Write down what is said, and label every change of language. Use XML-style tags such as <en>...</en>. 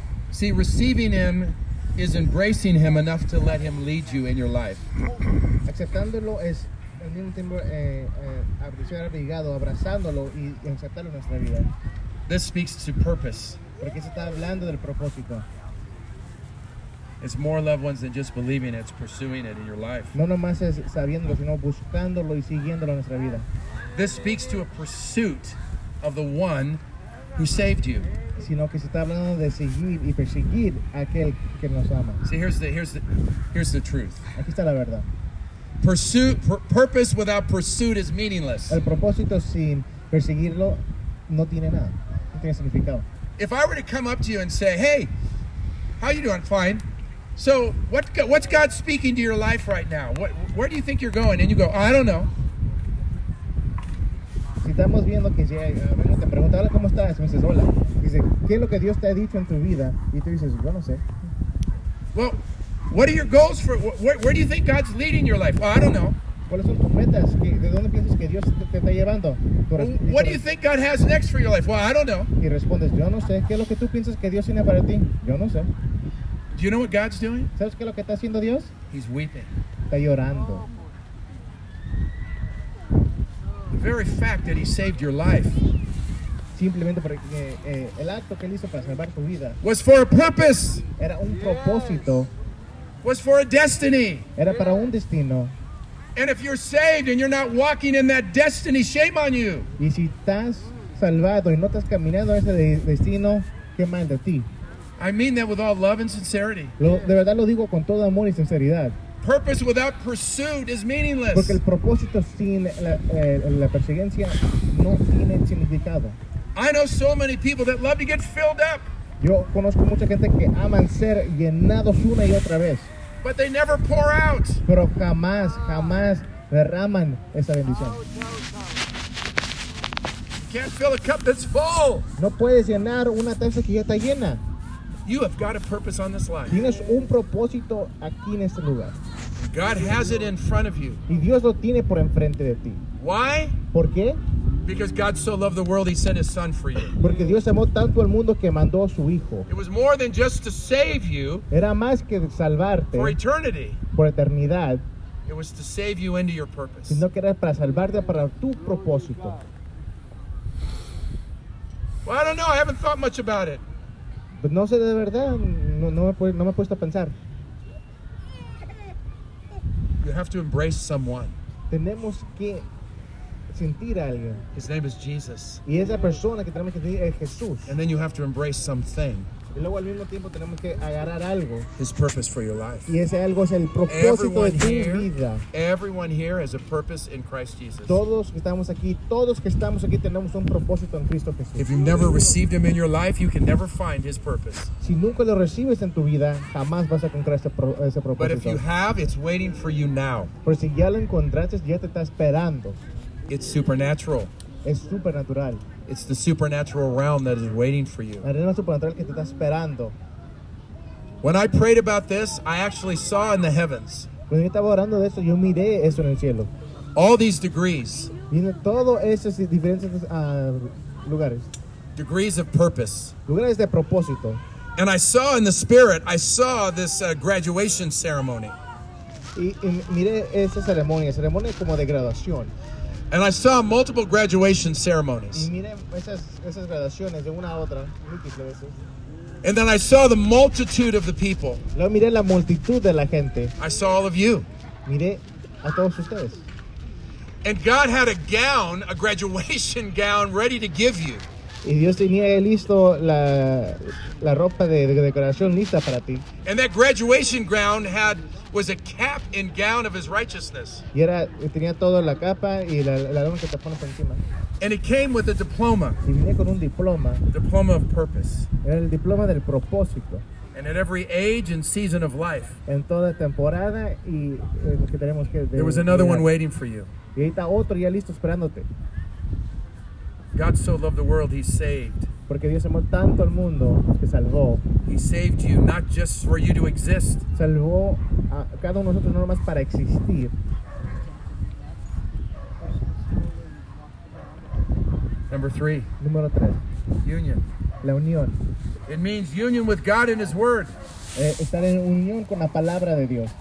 <en>See, receiving him is embracing him enough to let him lead you in your life.</en> <es>Aceptándolo es al mismo tiempo ser abrigado, abrazándolo y aceptarlo en nuestra vida.</es> <en>This speaks to purpose.</en> <es>Porque se está hablando del propósito.</es> <en>It's more, loved ones, than just believing it, it's pursuing it in your life.</en> <es>No nomás es sabiéndolo, sino buscándolo y siguiéndolo en nuestra vida.</es> <en>This speaks to a pursuit of the one who saved you.</en> <es>Sino que se está hablando de seguir y perseguir aquel que nos ama.</es> <en>See, here's the truth.</en> <es>Aquí está la verdad.</es> <en>Purpose without pursuit is meaningless.</en> <es>El propósito sin perseguirlo no tiene nada. No tiene significado.</es> <en>If I were to come up to you and say, "Hey, how you doing? Fine." So, what's God speaking to your life right now? Where do you think you're going? And you go, "I don't know."</en> <es>Si estamos viendo que si te preguntaba cómo estás, me dices hola. Dice, ¿qué es lo que Dios te ha dicho en tu vida? Y tú dices, yo no sé.</es> <en>Well, what are your goals for? Where do you think God's leading your life? Well, I don't know.</en> <es>¿Cuáles son tus metas? ¿De dónde piensas que Dios te está llevando?</es> <en>What do you think God has next for your life? Well, I don't know.</en> <es>Y respondes, yo no sé. ¿Qué es lo que tú piensas que Dios tiene para ti? Yo no sé.</es> <en>Do you know what God's doing?</en> <es>¿Sabes qué es lo que está haciendo Dios?</es> <en>He's weeping.</en> <es>Está llorando.</es> <en>The very fact that he saved your life,</en> <es>simplemente porque el acto que él hizo para salvar tu vida,</es> <en>was for a purpose.</en> <es>Era un propósito.</es> <en>Was for a destiny.</en> <es>Era para un destino.</es> <en>And if you're saved and you're not walking in that destiny, shame on you.</en> <es>Y si estás salvado y no estás caminando ese destino, qué mal de ti.</es> <en>I mean that with all love and sincerity.</en> <es>De verdad lo digo con todo amor y sinceridad.</es> <en>Purpose without pursuit is meaningless.</en> <es>Porque el propósito sin la perseguencia no tiene significado.</es> <en>I know so many people that love to get filled up.</en> <es>Yo conozco mucha gente que aman ser llenados una y otra vez.</es> <en>But they never pour out.</en> <es>Pero jamás, jamás derraman esa bendición.</es> <en>You can't fill a cup that's full.</en> <es>No puedes llenar una taza que ya está llena.</es> <en>You have got a purpose on this life.</en> <es>Tienes un propósito aquí en este lugar.</es> <en>God has it in front of you.</en> <es>Y Dios lo tiene por enfrente de ti.</es> <en>Why?</en> <es>¿Por qué?</es> <en>Because God so loved the world, He sent His Son for you.</en> <es>Porque Dios amó tanto al mundo que mandó a su hijo.</es> <en>It was more than just to save you.</en> <es>Era más que salvarte.</es> <en>For eternity.</en> <es>Por eternidad.</es> <en>It was to save you into your purpose.</en> <es>Sino que era para salvarte para tu propósito.</es> <en>Well, I don't know. I haven't thought much about it.</en> <es>Pues no sé de verdad. No me he puesto a pensar.</es> <en>You have to embrace someone.</en> <es>Tenemos que sentir a alguien.</es> <en>His name is Jesus.</en> <es>Y esa persona que tenemos que sentir es Jesús.</es> <en>And then you have to embrace something.</en> <es>Y luego al mismo tiempo tenemos que agarrar algo.</es> <en>His purpose for your life.</en> <es>Y ese algo es el propósito de tu vida.</es> <en>Everyone here has a purpose in Christ Jesus.</en> <es>Todos que estamos aquí tenemos un propósito en Cristo Jesús.</es> <en>If you've never received Him in your life, you can never find His purpose.</en> <es>Si nunca lo recibes en tu vida, jamás vas a encontrar ese propósito.</es> <en>But if you have, it's waiting for you now.</en> <es>Pero si ya lo encontraste, ya te está esperando.</es> <en>It's supernatural.</en> <es>Es supernatural.</es> <en>It's the supernatural realm that is waiting for you.</en> <es>El reino supernatural que te está esperando.</es> <en>When I prayed about this, I actually saw in the heavens.</en> <es>Cuando yo estaba orando de eso, yo miré eso en el cielo.</es> <en>All these degrees.</en> <es>Viendo todos esos diferentes lugares.</es> <en>Degrees of purpose.</en> <es>Lugares de propósito.</es> <en>And I saw in the spirit, I saw this graduation ceremony.</en> <es>Y miré esa ceremonia como de graduación.</es> <en>And I saw multiple graduation ceremonies.</en> <es>Y miren esas graduaciones de una a otra, múltiples veces.</es> <en>And then I saw the multitude of the people.</en> <es>Luego miré la multitud de la gente.</es> <en>I saw all of you.</en> <es>Miré a todos ustedes.</es> <en>And God had a gown, a graduation gown, ready to give you.</en> <es>Y Dios tenía listo la ropa de graduación lista para ti.</es> <en>And that graduation gown had was a cap and gown of His righteousness.</en> <es>Y era, tenía todo la capa y la lona que te pones por encima.</es> <en>And it came with a diploma.</en> <es>Y venía con un diploma.</es> <en>Diploma of purpose.</en> <es>Era el diploma del propósito.</es> <en>And at every age and season of life.</en> <es>En toda temporada y que tenemos que.</es> <en>There was another one waiting for you.</en> <es>Y ahí está otro ya listo esperándote.</es> <en>God so loved the world, He saved.</en> <es>Porque Dios amó tanto al mundo que salvó.</es> <en>He saved you not just for you to exist.</en> <es>Salvó a cada uno de nosotros no más para existir.</es> <en>Number three.</en> <es>Número tres.</es> <en>Union.</en> <es>La unión.</es> <en>It means union with God and His Word.</en> <es>Estar en unión con la palabra de Dios.</es>